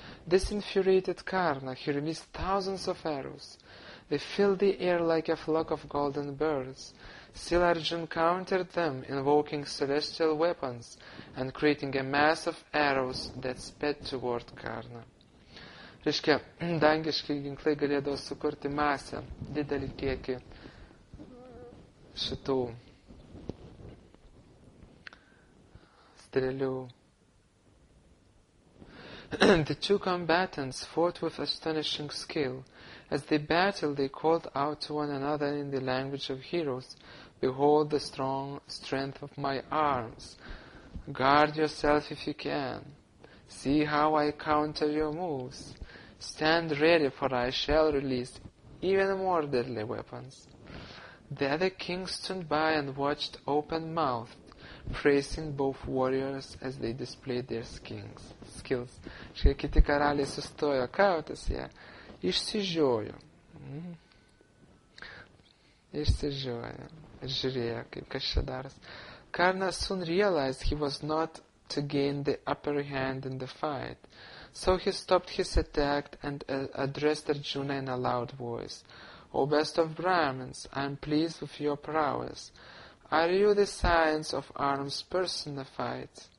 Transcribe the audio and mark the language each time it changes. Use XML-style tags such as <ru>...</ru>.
<en>This infuriated Karna. He released thousands of arrows. They filled the air like a flock of golden birds. Still Arjuna countered them, invoking celestial weapons and creating a mass of arrows that sped toward Karna.</en> <lt>Reiškia, dangiškai ginklai galėdavo sukurti masę, didelį kiekį šitų strėlių.</lt> <en>The two combatants fought with astonishing skill. As they battled, they called out to one another in the language of heroes, "Behold the strong strength of my arms. Guard yourself if you can. See how I counter your moves. Stand ready, for I shall release even more deadly weapons." The other kings stood by and watched open-mouthed, praising both warriors as they displayed their skills.</en> <lt>Štai kiti karaliai sustojo kautis, jie išsižiojo. Išsižiojo. Žiūrėjo, kaip kas čia daras.</lt> <en>Karna soon realized he was not to gain the upper hand in the fight. So he stopped his attack and addressed Arjuna in a loud voice. "O best of Brahmins, I am pleased with your prowess. Are you the science of arms personified?</en>